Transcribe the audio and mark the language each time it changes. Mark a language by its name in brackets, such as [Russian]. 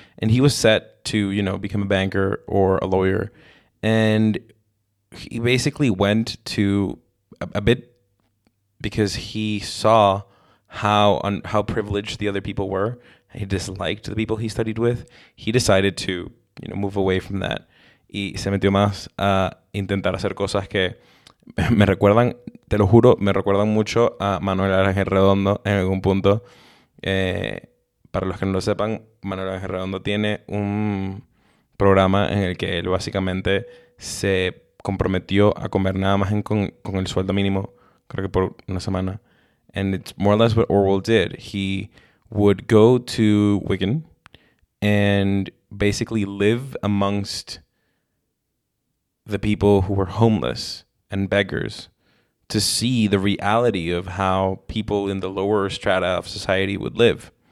[English] And he was set to, you know, become a banker or a lawyer. And he basically went to a bit because he saw how privileged the other people were. He disliked the people he studied with. He decided to, you know, move away from that. [Spanish] Y se metió más a intentar hacer cosas que me recuerdan, te lo juro, me recuerdan mucho a Manuel Ángel Redondo en algún punto. Para los que no lo sepan, Manuel Ángel Redondo tiene un programa en el que él básicamente se comprometió a comer nada más con el sueldo mínimo, creo que por una semana. [English] And it's more or less what Orwell did. He would go to Wigan and basically live amongst the people who were homeless and beggars to see the reality of how people in the lower strata of society would live.